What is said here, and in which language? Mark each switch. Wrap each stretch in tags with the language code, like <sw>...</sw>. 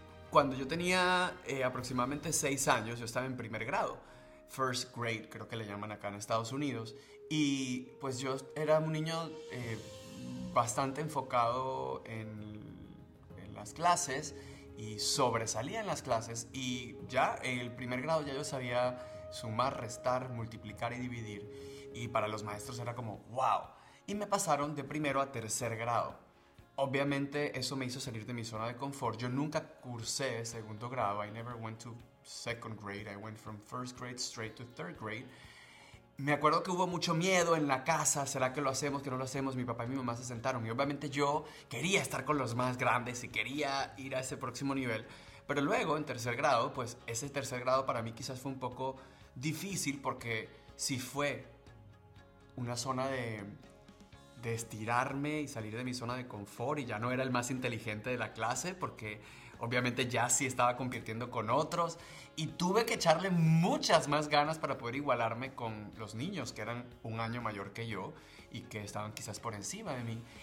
<es>Cuando yo tenía aproximadamente 6 años, yo estaba en primer grado,</es> <en>first grade,</en> <es>creo que le llaman acá en Estados Unidos, y pues yo era un niño bastante enfocado en las clases y sobresalía en las clases, y ya en el primer grado ya yo sabía sumar, restar, multiplicar y dividir. Y para los maestros era como, wow. Y me pasaron de primero a tercer grado. Obviamente eso me hizo salir de mi zona de confort. Yo nunca cursé segundo grado.</es> <en>I never went to second grade. I went from first grade straight to third grade.</en> <es>Me acuerdo que hubo mucho miedo en la casa. ¿Será que lo hacemos? ¿Que no lo hacemos? Mi papá y mi mamá se sentaron. Y obviamente yo quería estar con los más grandes y quería ir a ese próximo nivel. Pero luego, en tercer grado, pues ese tercer grado para mí quizás fue un poco difícil porque sí fue una zona de estirarme y salir de mi zona de confort, y ya no era el más inteligente de la clase porque obviamente ya sí estaba compitiendo con otros y tuve que echarle muchas más ganas para poder igualarme con los niños que eran un año mayor que yo y que estaban quizás por encima de mí.</es>